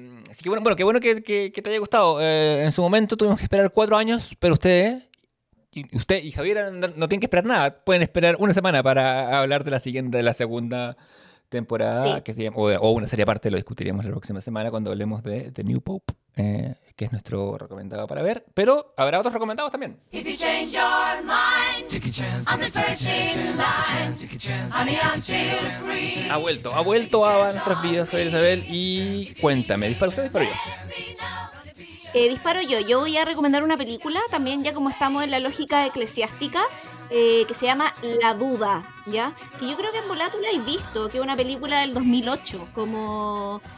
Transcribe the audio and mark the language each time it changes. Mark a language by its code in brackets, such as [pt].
[es] Así que bueno, qué bueno que te haya gustado. En su momento tuvimos que esperar 4 años, pero ustedes... Y usted y Javier no tienen que esperar nada, pueden esperar una semana para hablar de la segunda temporada, sí. Que se llama, o una serie aparte, lo discutiríamos la próxima semana cuando hablemos de The New Pope, que es nuestro recomendado para ver, pero habrá otros recomendados también. [en] If you change your mind, take a chance, I'm the first in line, honey, I'm still free. [es] Ha vuelto a nuestras vidas, Javier Isabel, y cuéntame, dispara usted, dispara yo. Disparo yo. Yo voy a recomendar una película, también ya como estamos en la lógica eclesiástica, que se llama La Duda, ¿ya? Que yo creo que en volátil tú la has visto, que es una película del 2008, como...